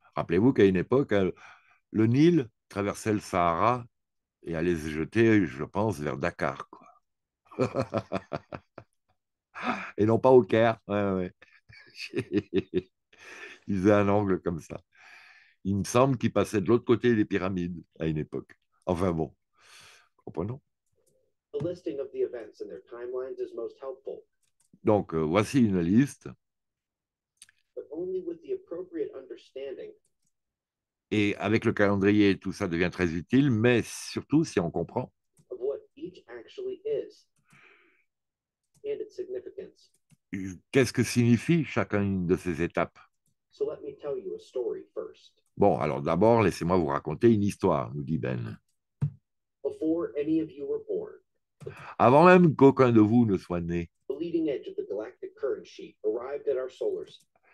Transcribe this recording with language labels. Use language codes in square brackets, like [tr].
[fr] Rappelez-vous qu'à une époque, le Nil traversait le Sahara et allait se jeter, je pense, vers Dakar, quoi. Et non pas au Caire, ouais. Ils faisaient un angle comme ça. Il me semble qu'ils passaient de l'autre côté des pyramides à une époque. Enfin bon, comprenons. [en] The listing of the events and their timelines is most helpful. [fr] Donc, voici une liste. [en] But only with the appropriate understanding. [fr] Et avec le calendrier, tout ça devient très utile, mais surtout si on comprend. [en] Of what each actually is. And its significance. [fr] Qu'est-ce que signifie chacune de ces étapes? [en] So let me tell you a story first. [fr] Bon, alors d'abord, laissez-moi vous raconter une histoire, nous dit Ben. [en] Before any of you were born, [fr] Avant même qu'aucun de vous ne soit né, [en] the leading edge of the galactic current sheet arrived at our solar system.